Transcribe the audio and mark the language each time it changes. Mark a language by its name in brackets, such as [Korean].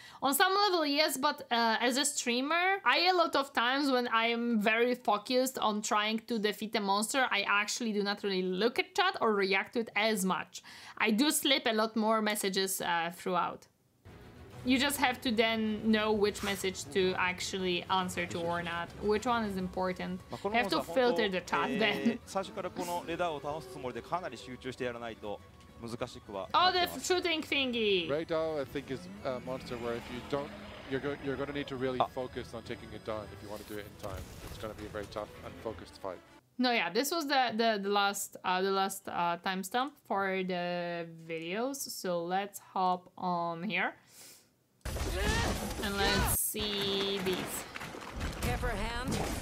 [English] On some level, yes, but as a streamer, I a lot of times when I'm very focused on trying to defeat a monster, I actually do not really look at chat or react to it as much. I do slip a lot more messages throughout. You just have to then know which message to actually answer to or not. Which one is important? You have to filter the chat then. [Japanese] 最初からこのレダーを倒すつもりでかなり集中してやらないと難しくは。 [English] Oh, the shooting thingy. Radar, I think, is a monster where if you don't, you're going to need to really focus on taking it down if you want to do it in time. It's going to be a very tough and focused fight. No, yeah, this was the last timestamp for the videos. So let's hop on here. And let's see these. Care for a hand?